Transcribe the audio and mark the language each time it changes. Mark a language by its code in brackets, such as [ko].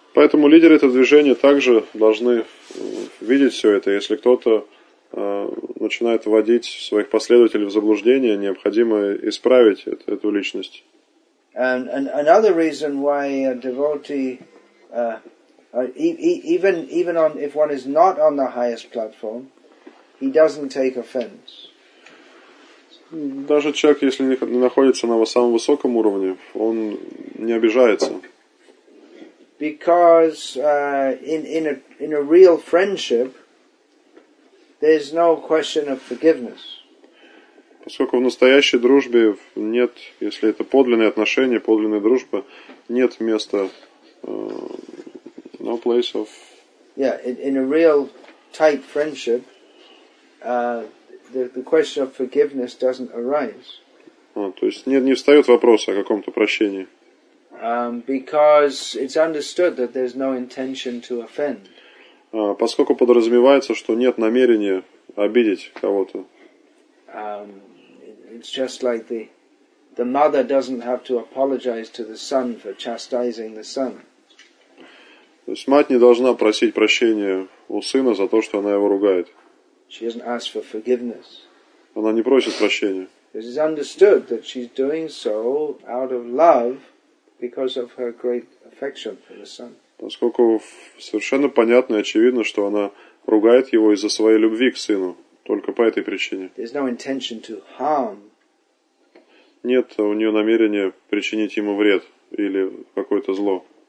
[ru] Поэтому лидеры этого движения также должны видеть все это. Если кто-то начинает вводить своих последователей в заблуждение, необходимо исправить эту личность. [en] And another reason why a devotee, even on, if one is not on the highest platform, he doesn't take offense. [ru] Даже человек, если не находится на самом высоком уровне, он не обижается. [en] Because in a real friendship there's no question of forgiveness. [ru] Поскольку в настоящей дружбе нет, если это подлинные отношения, подлинная дружба, нет места [en] no place of. Yeah, in a real tight friendship the question of forgiveness doesn't arise. [ru] То есть не встает вопрос о каком-то прощении. [en] Because it's understood that there's no intention to offend. [ru] Поскольку подразумевается, что нет намерения обидеть кого-то. [en] It's just like the mother doesn't have to apologize to the son for chastising the son. [ru] То есть мать не должна просить прощения у сына за то, что она его ругает. [en] She doesn't ask for forgiveness. [ru] Она не просит прощения. [en] It is understood that she's doing so out of love because of her great affection for the son. [ru] Поскольку совершенно понятно и очевидно, что она ругает его из-за своей любви к сыну, только по этой причине. [en] There's no intention to harm. [ru] Нет у нее намерения причинить ему вред или какое-то зло.